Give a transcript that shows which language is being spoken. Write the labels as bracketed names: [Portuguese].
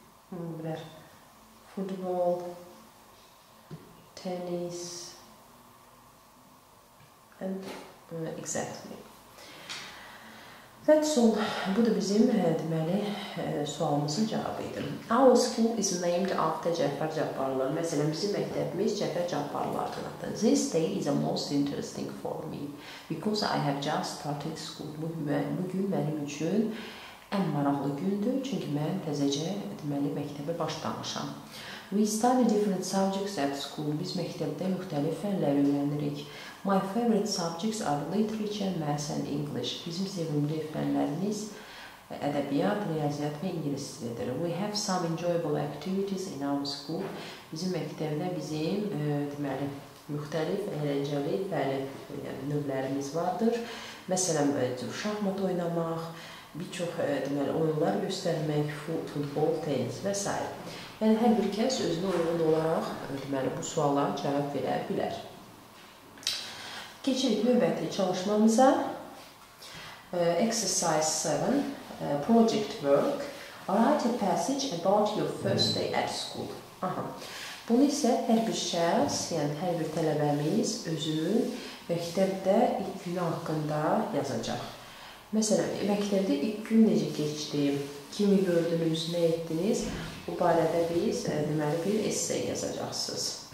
[English] football, tennis, and exactly. That's all. [Azerbaijani] Bu da bizim deməli sualımızın cavabıydı. [English] Our school is named after Cəfər Cabbarlı. [Azerbaijani] Məsələn, bizim məktəbimiz Cəfər Cabbarlı adlanır. [English] This day is the most interesting for me because I have just started school. [Azerbaijani] Bugün mənim üçün ən maraqlı gündür, çünki mən təzəcə deməli məktəbə başlamışam. [English] We study different subjects at school. [Azerbaijani] Biz məktəbdə müxtəlif fənlər öyrənirik. [English] My favorite subjects are literature, maths and English. [Azerbaijani] Bizim sevimli fənlərimiz ədəbiyyat, riyaziyyat və ingilis dilidir. [English] We have some enjoyable activities in our school. [Azerbaijani] Bizim məktəbdə bizim deməli müxtəlif əyləncəli növlərimiz vardır. Məsələn, şahmat oynamaq, bir çox deməli oyunlar göstərmək, futbol, tennis və s. Yəni, hər bir kəs özünə uyğun olaraq deməli, bu suala cavab verə bilər. Keçirik növbəti çalışmamıza. [English] Exercise 7, project work. Write a passage about your first day at school. Aha. [Azerbaijani] Bunu isə hər bir şəxs, yəni hər bir tələbəmiz özünün məktəbdə ilk günü haqqında yazacaq. Məsələn, məktəbdə ilk gün necə keçdi, kimi gördünüz, nə etdiniz? Bu barədə biz, deməli, bir essay yazacaqsınız.